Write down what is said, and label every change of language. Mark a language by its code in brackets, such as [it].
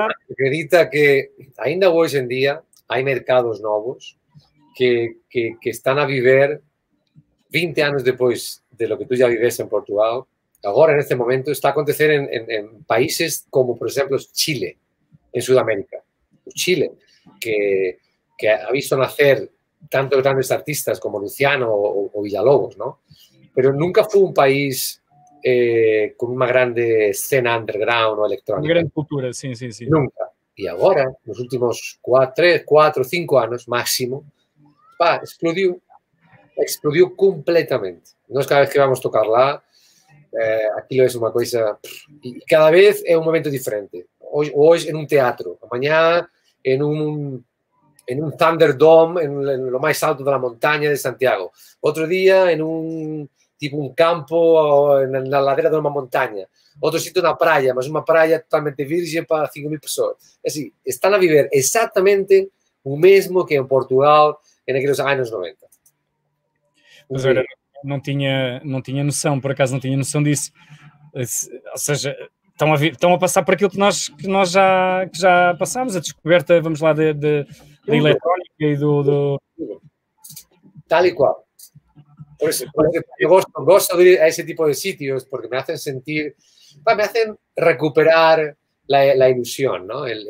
[pt] Acredita que ainda hoje em dia há mercados novos que estão a viver 20 anos depois de [es] lo que [pt] tu já viveste em Portugal. Agora, neste momento, está a acontecer em países como, por exemplo, Chile, em Sudamérica. [es] O Chile, que ha visto nacer tanto grandes artistas como Luciano ou Villalobos, [pt] não? [es] Pero nunca fue un país con una grande escena underground o electrónica. Una gran cultura, sí, sí, sí. Nunca. Y ahora, en los últimos 4, 5 años máximo, va, explodió completamente. No es cada vez que vamos a tocar lá, aquí lo es una cosa, y cada vez es un momento diferente. Hoy en un teatro, mañana en un Thunderdome, en lo más alto de la montaña de Santiago. Otro día en un tipo un campo [pt] na ladeira de uma montanha, outro sítio na praia, mas uma praia totalmente virgem para 5 mil pessoas. É assim, estão a viver exatamente o mesmo que em Portugal naqueles anos 90. Mas olha, não tinha noção, por acaso não tinha noção disso. Ou seja, estão a passar por aquilo que nós já passámos, a descoberta, vamos lá, da eletrónica e do... Tal e qual. [es] Por eso, gosto de ir a ese tipo de sitios porque me hacen sentir, me hacen recuperar la ilusión, ¿no?